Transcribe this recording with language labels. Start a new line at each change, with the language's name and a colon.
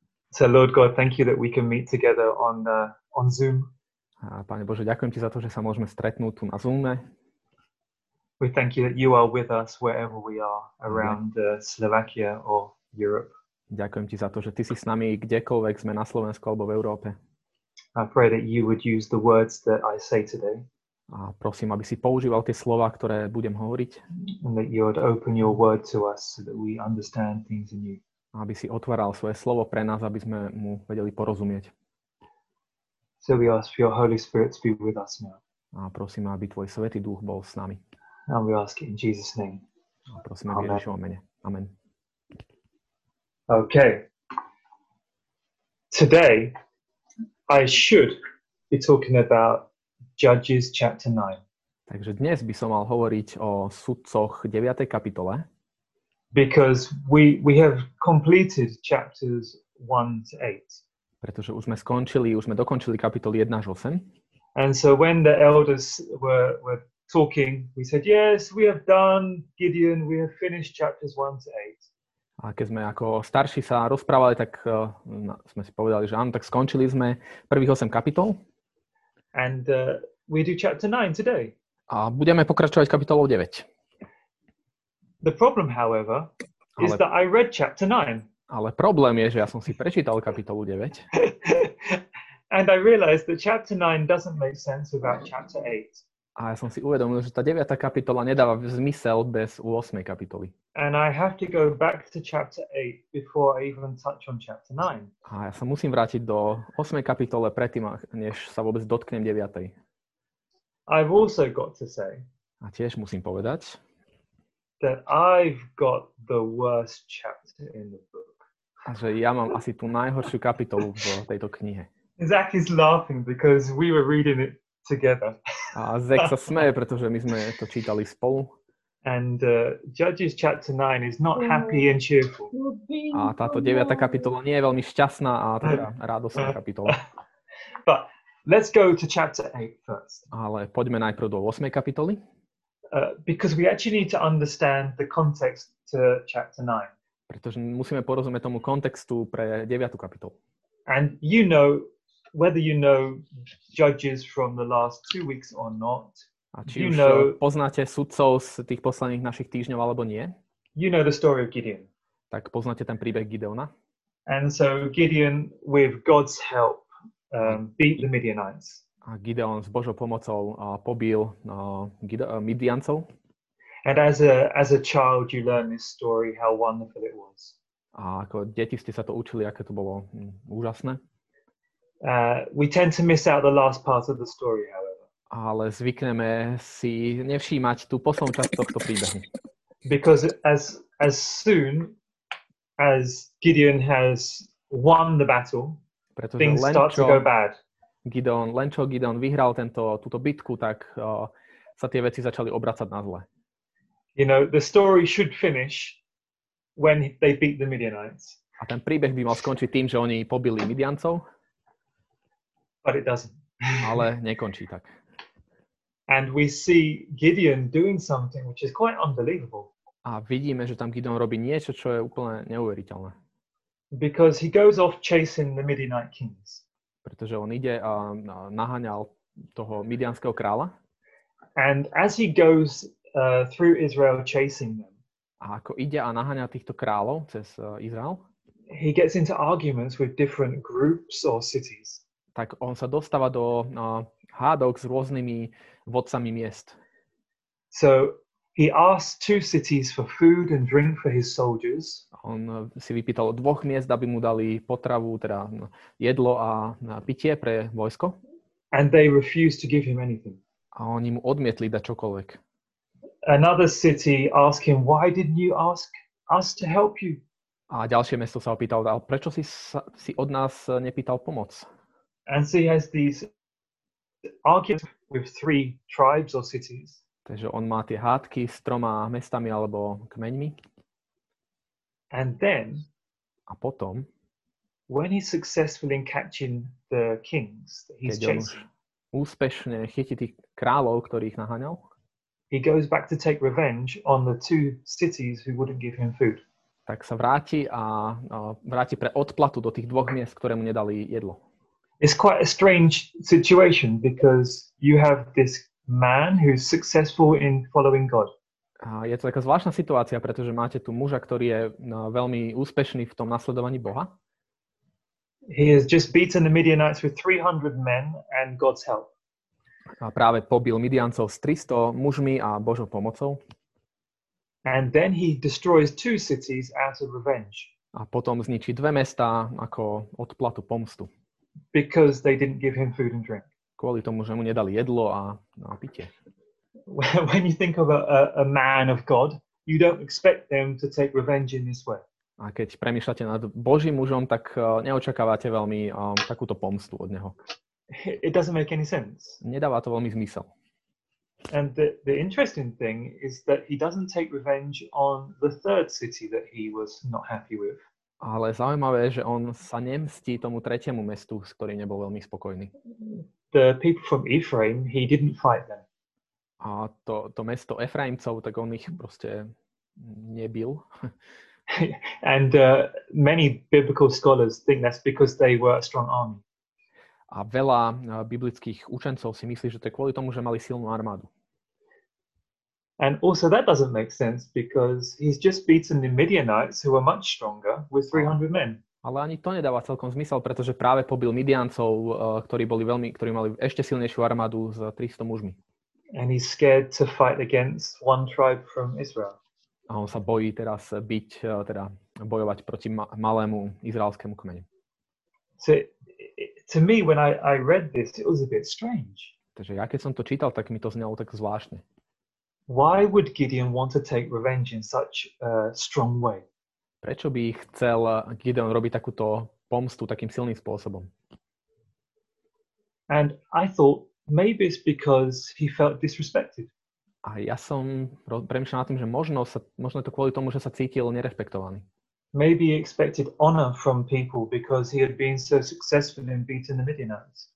English: So Lord God, thank you that we can meet together on Zoom.
Slovak: A Pane Bože, ďakujem ti za to, že sa môžeme stretnúť tu na Zoome.
English: We thank you that you are with us wherever we are around Slovakia or Europe.
Slovak: Ďakujem ti za to, že ty si s nami kdekoľvek sme na Slovensku alebo v Európe.
English: I pray that you would use the words that I say today.
Slovak: A prosím, aby si používal tie slova, ktoré budem hovoriť.
English: And that you would open your word to us so that we understand things in you.
Slovak: Aby si otváral svoje slovo pre nás, aby sme mu vedeli porozumieť.
English: So we ask for your Holy Spirit to be with us now.
Slovak: A prosím, aby tvoj Svätý Duch bol s nami.
English: And we ask it in Jesus' name.
Slovak: A prosím, aby Ježišovo mene. Amen.
English: Okay. Today, I should be talking about Judges chapter 9.
Slovak: Takže dnes by som mal hovoriť o sudcoch 9. kapitole.
English: Because we have completed chapters 1 to 8.
Slovak: Pretože už sme dokončili kapitoly 1 až 8.
English: And so when the elders were talking, we said, yes, we have done Gideon, we have finished chapters 1 to 8.
Slovak: A keď sme ako starší sa rozprávali, tak sme si povedali, že áno, tak skončili sme prvých 8 kapitol.
English: And we do chapter 9 today.
Slovak: A budeme pokračovať kapitolou 9.
English: The problem, however, is that I read chapter 9.
Slovak: Ale problém je, že ja som si prečítal kapitolu 9.
English: And I realized that chapter 9 doesn't make sense without chapter 8.
Slovak: A ja som si uvedomil, že tá 9. kapitola nedáva zmysel bez 8. kapitoly.
English: And I have to go back to chapter 8 before I even touch on chapter 9.
Slovak: A ja sa musím vrátiť do 8. kapitole predtým, než sa vôbec dotknem 9.
English: I've also got to say.
Slovak: A tiež musím povedať,
English: that I've got the worst chapter in the book.
Slovak: A že ja mám asi tú najhoršiu kapitolu v tejto knihe.
English: Zach is laughing because we were reading it together.
Slovak: A Zach sa smeje, pretože my sme to čítali spolu.
English: And Judges chapter 9 is not happy and cheerful.
Slovak: A táto 9. kapitola nie je veľmi šťastná a teda radosná kapitola.
English: But let's go to chapter 8 first.
Slovak: Ale poďme najprv do 8. kapitoly.
English: Because we actually need to understand the context to chapter 9.
Slovak: Pretože musíme porozumieť tomu kontextu pre 9. kapitolu.
English: And you know, whether you know Judges from the last 2 weeks or not,
Slovak: a či
English: you know,
Slovak: poznáte sudcov z tých posledných našich týždňov alebo nie,
English: you know the story of Gideon.
Slovak: Tak poznáte ten príbeh Gideona.
English: And so Gideon, with God's help, beat the Midianites.
Slovak: A Gideon s Božou pomocou pobil Midiancov.
English: And as a child you learn this story, how wonderful it was.
Slovak: A ako deti ste sa to učili, aké to bolo úžasné.
English: We tend to miss out the last part of the story, however.
Slovak: Ale zvykneme si nevšímať tú poslednú časť tohto príbehu.
English: Because as soon as Gideon has won the battle,
Slovak: pretože
English: things start to go bad.
Slovak: Len čo Gideon vyhral túto bitku, tak sa tie veci začali obracať na zle.
English: You know, the story should finish when they beat the Midianites.
Slovak: A ten príbeh by mal skončiť tým, že oni pobili Midiancov.
English: But it doesn't.
Slovak: Ale nekončí tak.
English: And we see Gideon doing something which is quite unbelievable.
Slovak: A vidíme, že tam Gideon robí niečo, čo je úplne neuveriteľné.
English: Because he goes off chasing the Midianite kings.
Slovak: Pretože on ide a naháňal toho midianského kráľa.
English: And as he goes through Israel chasing them.
Slovak: A ako ide a naháňa týchto kráľov cez Izrael.
English: He gets into arguments with different groups or cities.
Slovak: Tak on sa dostáva do hádok s rôznymi vodcami miest.
English: So he asked two cities for food and drink for his soldiers.
Slovak: On si vypýtal dvoch miest, aby mu dali potravu, teda jedlo a pitie pre vojsko.
English: And they refused to give him anything.
Slovak: A oni mu odmietli dať čokoľvek.
English: Another city asked him, why didn't you ask us to help you?
Slovak: A ďalšie mesto sa opýtal, ale prečo si si od nás nepýtal pomoc?
English: And so he has these arguments with three tribes or cities.
Slovak: Takže on má tie hádky s troma mestami alebo kmeňmi.
English: And then,
Slovak: a potom,
English: when he's successful in catching the kings that he's chasing,
Slovak: úspešne chytí tých kráľov, ktorých naháňal,
English: he goes back to take revenge on the two cities who wouldn't give him food.
Slovak: Tak sa vráti a vráti pre odplatu do tých dvoch miest, ktoré mu nedali jedlo.
English: It's quite a strange situation because you have this man who's successful in following God.
Slovak: A je to taká zvláštna situácia, pretože máte tu muža, ktorý je veľmi úspešný v tom nasledovaní Boha.
English: He has just beaten the Midianites with 300 men and God's help.
Slovak: A práve pobil Midiancov s 300 mužmi a Božou pomocou.
English: And then he destroys two cities out of revenge.
Slovak: A potom zničí dve mesta ako odplatu pomstu.
English: Because they didn't give him food and drink.
Slovak: Kvôli tomu, že mu nedali jedlo a pitie.
English: When you think of a man of God, you don't expect them to take revenge in this way.
Slovak: A keď premýšľate nad Božím mužom, tak neočakávate veľmi takúto pomstu od neho.
English: It doesn't make any sense.
Slovak: Nedáva to veľmi zmysel.
English: And the interesting thing is that he doesn't take revenge on the third city that he was not happy with.
Slovak: Ale zaujímavé je, že on sa nemstí tomu tretiemu mestu, s ktorým nebol veľmi spokojný.
English: The people from Ephraim, he didn't fight them.
Slovak: A to mesto Efraimcov, tak on ich proste nebil.
English: And many biblical scholars think that's because they were a strong army.
Slovak: A veľa biblických učencov si myslí, že to je kvôli tomu, že mali silnú armádu.
English: And also that doesn't make sense because he's just beaten the Midianites who were much stronger with 300 men.
Slovak: Ale ani to nedáva celkom zmysel, pretože práve pobil Midiancov, ktorí mali ešte silnejšiu armádu s 300 mužmi.
English: And he's scared to fight against one tribe from Israel.
Slovak: A on sa bojí teraz bojovať proti malému izraelskému kmeňu.
English: To me, when I read this, it was a bit strange.
Slovak: Takže ja keď som to čítal, tak mi to znelo tak zvláštne.
English: Why would Gideon want to take revenge in such a strong way?
Slovak: Prečo by chcel Gideon robiť takúto pomstu takým silným spôsobom?
English: And I thought, maybe it's because he felt disrespected.
Slovak: A ja som premýšľal nad tým, že možno to kvôli tomu, že sa cítil nerespektovaný.
English: Maybe he expected honor from people because he had been so successful in beating the Midianites.